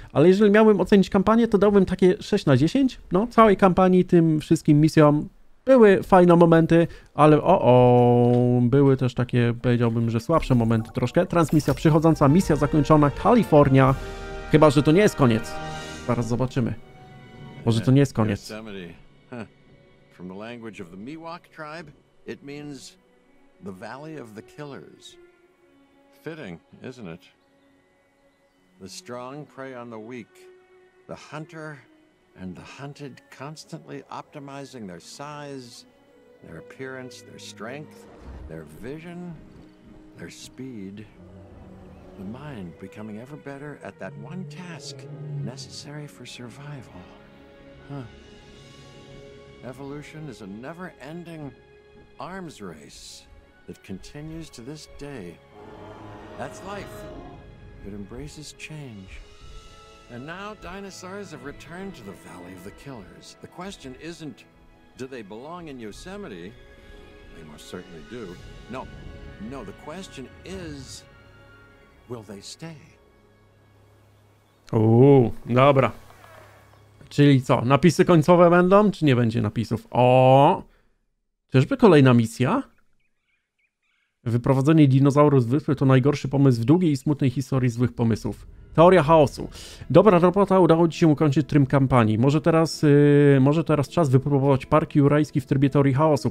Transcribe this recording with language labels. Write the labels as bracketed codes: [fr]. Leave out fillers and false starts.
[pl] Ale jeżeli miałbym ocenić kampanię, to dałbym takie 6 na 10. No, całej kampanii, tym wszystkim misjom. Były fajne momenty, ale były też takie, powiedziałbym, że słabsze momenty troszkę. Transmisja przychodząca, misja zakończona, Kalifornia. Chyba, że to nie jest koniec. Zaraz zobaczymy. Może to nie jest koniec. Yosemite. [en] From the language of the Miwok tribe, it means the Valley of the Killers. Fitting, isn't it? The strong prey on the weak. The hunter... And the hunted constantly optimizing their size, their appearance, their strength, their vision, their speed. The mind becoming ever better at that one task necessary for survival. Huh. Evolution is a never-ending arms race. that continues to this day. That's life. It embraces change. And now dinosaurs have returned to the Valley of the Killers. The question isn't, do they belong in Yosemite? They most certainly do. No, no, the question is, will they stay? [pl] Uuu, dobra. Czyli co, napisy końcowe będą, czy nie będzie napisów? O, czyżby kolejna misja? Wyprowadzenie dinozaurów z wyspy to najgorszy pomysł w długiej i smutnej historii złych pomysłów. Teoria chaosu. Dobra robota, udało ci się ukończyć trym kampanii. Może teraz czas wypróbować park jurajski w trybie teorii chaosu.